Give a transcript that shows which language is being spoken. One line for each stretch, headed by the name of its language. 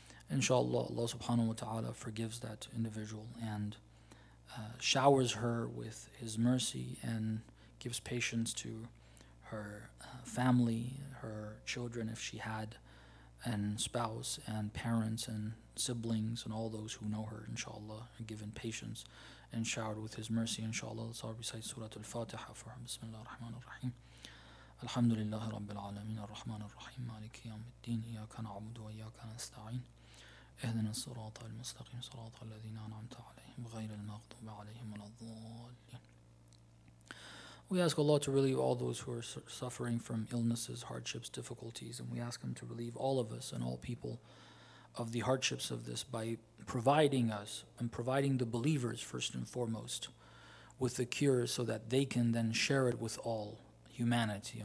English: Inshallah, Allah subhanahu wa ta'ala forgives that individual and showers her with his mercy and gives patience to her family, her children, if she had, and spouse and parents and siblings and all those who know her, inshallah, and given patience and showered with his mercy, inshallah. Let's all recite Surah Al-Fatiha for her. Bismillah ar-Rahman ar-Rahim.
Arabic: الحمد لله رب العالمين الرحمن الرحيم مالك يوم الدين إياك نعبد وإياك نستعين اهدنا الصراط المستقيم صراط الذين أنعمت عليهم غير المغضوب عليهم ولا الضالين.
English: We ask Allah to relieve all those who are suffering from illnesses, hardships, difficulties, and we ask Him to relieve all of us and all people of the hardships of this by providing us and providing the believers first and foremost with the cure so that they can then share it with all humanity.